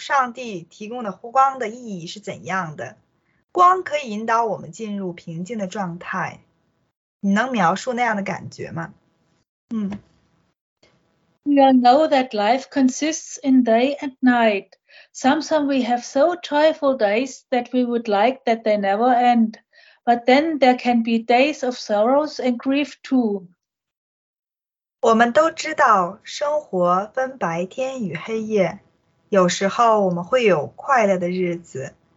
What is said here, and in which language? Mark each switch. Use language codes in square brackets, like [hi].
[zh] 当夜幕降临的时候，上帝提供的光的意义是怎样的？光可以引导我们进入平静的状态，你能描述那样的感觉吗？ [en] We all know that life consists in day and night. Sometimes we have so joyful days that we would like that they never end. But then there can be days of sorrows and grief too. [zh] 我们都知道生活分白天与黑夜，有时候我们会有快乐的日子。